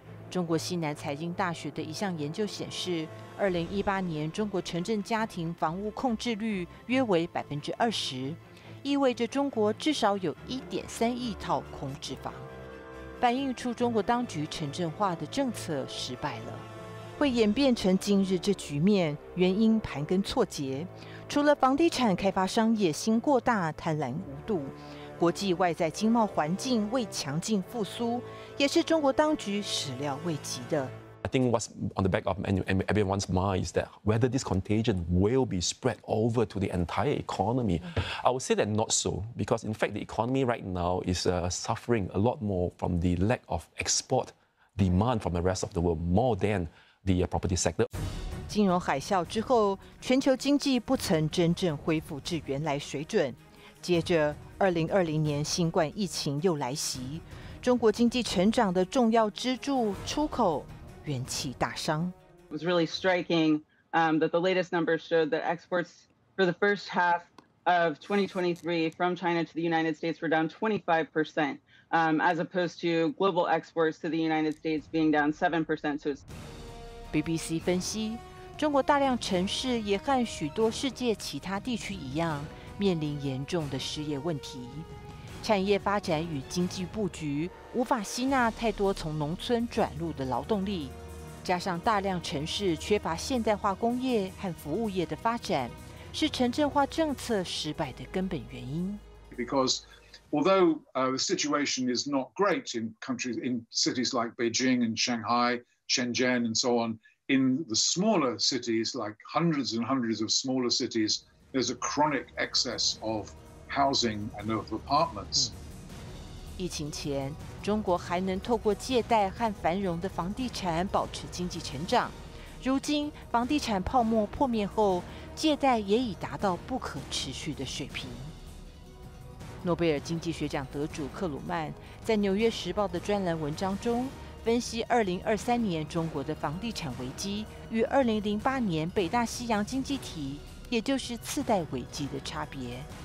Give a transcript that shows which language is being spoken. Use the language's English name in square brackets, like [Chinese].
[Chinese] 中国西南财经大学的一项研究显示，2018年中国城镇家庭房屋控制率约为20%，意味着中国至少有1.3亿套空置房，反映出中国当局城镇化的政策失败了。会演变成今日这局面，原因盘根错节，除了房地产开发商野心过大、贪婪无度，国际外在经贸环境未强劲复苏，也是中国当局始料未及的。 [English] I think what's on the back of everyone's mind is that whether this contagion will be spread over to the entire economy. I would say that not so, because in fact the economy right now is suffering a lot more from the lack of export demand from the rest of the world more than the property sector. [Chinese] 金融海啸之后，全球经济不曾真正恢复至原来水准。接着，2020年新冠疫情又来袭，中国经济成长的重要支柱出口。元气大伤。 [English] It was really striking that the latest numbers showed that exports for the first half of 2023 from China to the United States were down 25%, as opposed to global exports to the United States being down 7%. So, [Chinese] BBC 分析，中国大量城市也和许多世界其他地区一样，面临严重的失业问题。产业发展与经济布局无法吸纳太多从农村转入的劳动力，加上大量城市缺乏现代化工业和服务业的发展，是城镇化政策失败的根本原因。 [English] Because although the situation is not great in countries in cities like Beijing and Shanghai, Shenzhen and so on, in the smaller cities, like hundreds and hundreds of smaller cities, there's a chronic excess of housing and of apartments. [Chinese] 疫情前，中国还能透过借贷和繁荣的房地产保持经济成长。如今，房地产泡沫破灭后，借贷也已达到不可持续的水平。诺贝尔经济学奖得主克鲁曼在《纽约时报》的专栏文章中分析，2023年中国的房地产危机与2008年北大西洋经济体，也就是次贷危机的差别。